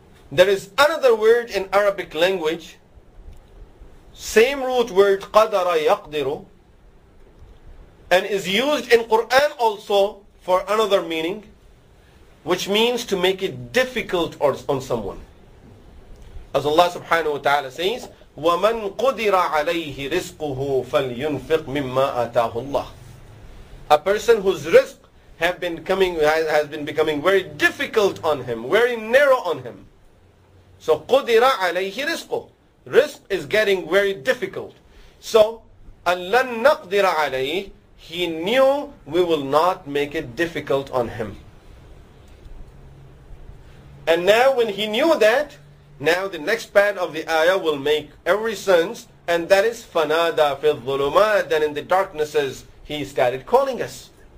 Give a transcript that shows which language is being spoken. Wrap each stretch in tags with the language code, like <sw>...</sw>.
<en>There is another word in Arabic language, same root word qadara yaqdiru, and is used in Quran also for another meaning, which means to make it difficult on someone. As Allah subhanahu wa ta'ala says,</en> <ar>وَمَنْ قُدِرَ عَلَيْهِ رِزْقُهُ فَلْيُنْفِقْ مِمَّا أَتَاهُ اللَّهِ.</ar> <en>A person whose risk has been becoming very difficult on him, very narrow on him.</en> <ar>So قُدِرَ عَلَيْهِ رِزْقُهُ.</ar> <en>Risk is getting very difficult. So</en> <ar>أَلَّنْ نَقْدِرَ عَلَيْهِ,</ar> <en>he knew we will not make it difficult on him. And now when he knew that, now the next part of the ayah will make every sense, and that is</en> <ar>فَنَادَى فِي الظُّلُمَاتِ,</ar> <en>then in the darknesses he started calling us.</en>